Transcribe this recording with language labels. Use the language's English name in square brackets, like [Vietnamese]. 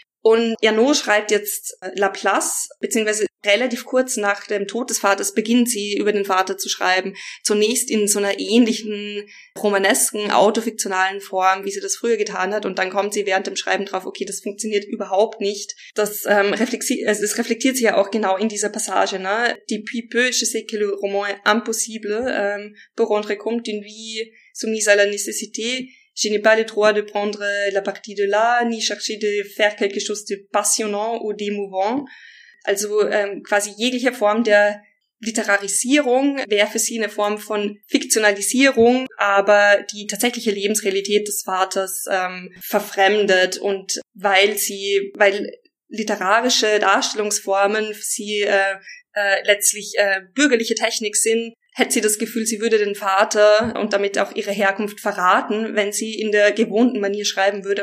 [German] Und Ernaux schreibt jetzt Laplace, beziehungsweise relativ kurz nach dem Tod des Vaters beginnt sie über den Vater zu schreiben. Zunächst in so einer ähnlichen, romanesken, autofiktionalen Form, wie sie das früher getan hat. Und dann kommt sie während dem Schreiben drauf, okay, das funktioniert überhaupt nicht. Das reflektiert sie ja auch genau in dieser Passage, ne? [French] Depuis peu, je sais que le roman est impossible, pour rentrer compte d'une vie soumise à la nécessité. Je n'ai pas le droit de prendre la partie de là, ni chercher de faire quelque chose de passionnant ou d'émouvant. [German] Also quasi jegliche Form der Literarisierung wäre für sie eine Form von Fiktionalisierung, aber die tatsächliche Lebensrealität des Vaters verfremdet. Und weil literarische Darstellungsformen für sie letztlich bürgerliche Technik sind, hätte sie das Gefühl, sie würde den Vater und damit auch ihre Herkunft verraten, wenn sie in der gewohnten Manier schreiben würde.